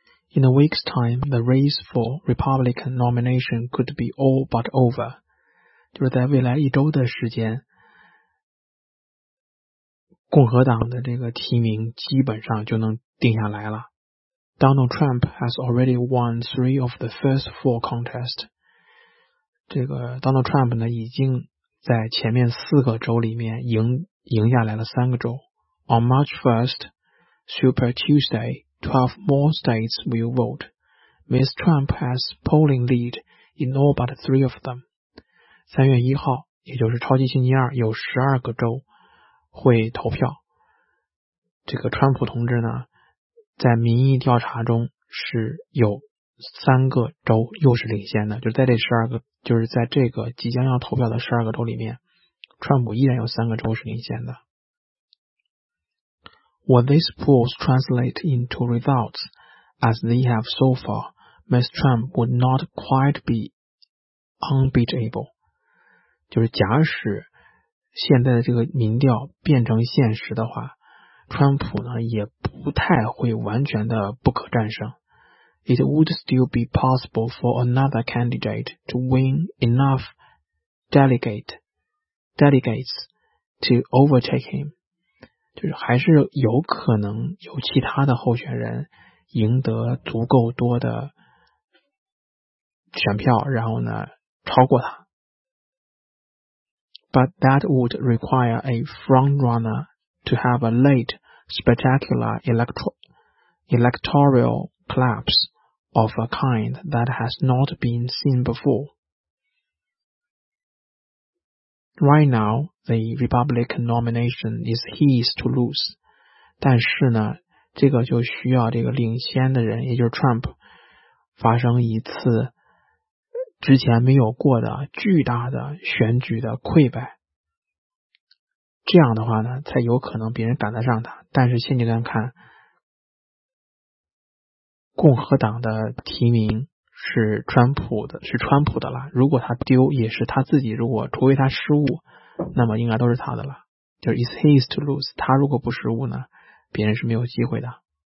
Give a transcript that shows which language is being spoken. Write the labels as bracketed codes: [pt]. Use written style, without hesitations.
[en] In a week's time, the race for Republican nomination could be all but over. [zh] 就是在未来一周的时间，共和党的这个提名基本上就能定下来了。 [en] Donald Trump has already won 3 of the first 4 contests. [zh] 这个 Donald Trump 呢，已经在前面四个州里面赢下来了三个州。 [en] On March 1st, Super Tuesday,12 more states will vote. Ms. Trump has polling lead in all but 3 of them. [zh] 3月1号，也就是超级星期二，有12个州会投票。这个川普同志呢，在民意调查中是有3个州又是领先的，就是在这12个，就是在这个即将要投票的12个州里面，川普依然有3个州是领先的。 [en] What these polls translate into results, as they have so far, Ms. Trump would not quite be unbeatable. [zh] 就是假使现在的这个民调变成现实的话，川普呢也不太会完全的不可战胜。 [en] It would still be possible for another candidate to win enough delegates to overtake him. [zh] 就是还是有可能有其他的候选人赢得足够多的选票，然后呢超过他。 [en] But that would require a frontrunner to have a late spectacular electoral collapse of a kind that has not been seen before. Right now, the Republican nomination is his to lose. [zh] 但是呢，这个就需要这个领先的人，也就是 Trump, 发生一次之前没有过的巨大的选举的溃败。这样的话呢，才有可能别人赶得上他。但是现阶段看，共和党的提名是川普的了，如果他丢也是他自己，如果除非他失误，那么应该都是他的了，就是 [en] is his to lose， [zh] 他如果不失误呢，别人是没有机会的。